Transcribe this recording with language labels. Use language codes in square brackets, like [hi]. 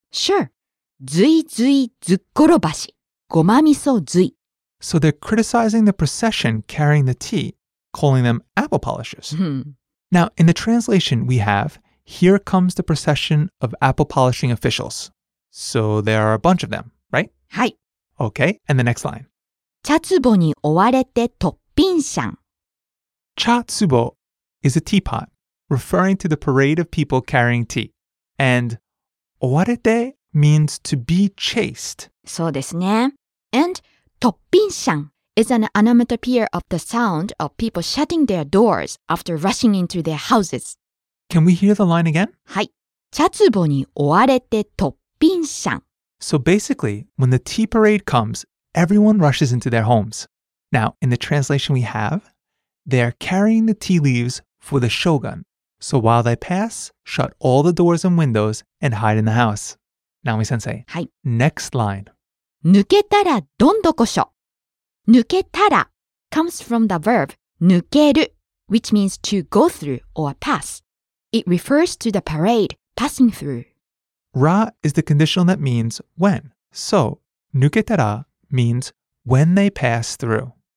[ja] Sure. Zui zui zukkorobashi. Goma miso zui. [en] So they're criticizing the procession carrying the tea, calling them apple polishers. Now, in the translation we have, here comes the procession of apple polishing officials. So there are a bunch of them, right? [ja] Hai. [en] Okay, and the next line. [ja] 茶壺に追われてトッピンシャン。 [en] 茶壺 is a teapot, referring to the parade of people carrying tea. And 追われて means to be chased. [ja] そうですね。 [en] And トッピンシャン is an onomatopoeia of the sound of people shutting their doors after rushing into their houses. Can we hear the line again? [ja] はい。茶壺に追われてトッピンシャン。 [en] So basically, when the tea parade comes, everyone rushes into their homes. Now, in the translation we have, they are carrying the tea leaves for the shogun. So while they pass, shut all the doors and windows and hide in the house. Naomi sensei. [ja] はい。 [en] Next line. [ja] 抜けたらどんどこしょ。 [en] 抜けたら comes from the verb 抜ける, which means to go through or pass. It refers to the parade, passing through. Ra is the conditional that means when. So, 抜けたら means when they pass through.